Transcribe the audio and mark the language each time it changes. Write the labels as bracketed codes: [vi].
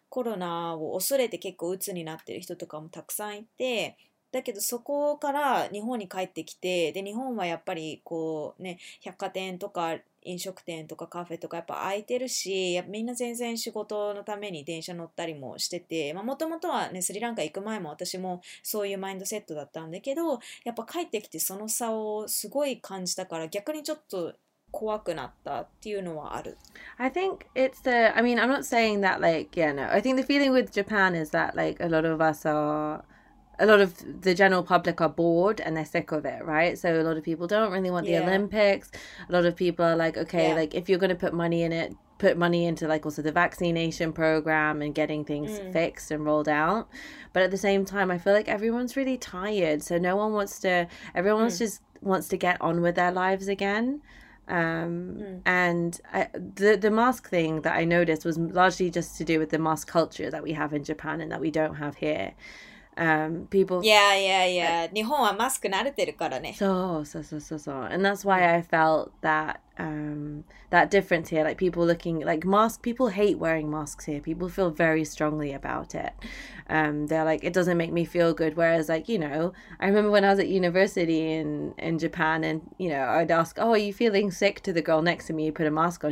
[ja] ロナを恐れて結構鬱になってる人とかもたくさんいて、だけどそこから日本に帰ってきて、で日本はやっぱりこうね、百貨店とか飲食店とかカフェとかやっぱ空いてるし、みんな全然仕事のために電車乗ったりもしてて、まあ、元々はね、スリランカ行く前も私もそういうマインドセットだったんだけど、やっぱ帰ってきてその差をすごい感じたから、逆にちょっと怖くなったっていうのはある。 [en] I think it's the, I mean, I'm not saying that like, yeah, no, I think the feeling with Japan is that like a lot of us areA lot of the general public are bored and they're sick of it, right? So a lot of people don't really want the Olympics. A lot of people are like, okay, like if you're going to put money in it, put money into like also the vaccination program and getting things fixed and rolled out. But at the same time, I feel like everyone's really tired. So no one wants to, everyone just wants to get on with their lives again. And the mask thing that I noticed was largely just to do with the mask culture that we have in Japan and that we don't have here. [ja] 日本はマスク慣れてるからね。そう。 [en] And that's why I felt that, that difference here. Like people looking, like mask, people hate wearing masks here. People feel very strongly about it. They're like, it doesn't make me feel good. Whereas like, you know, I remember when I was at university in Japan and, you know, I'd ask, oh, are you feeling sick to the girl next to me? You put a mask on.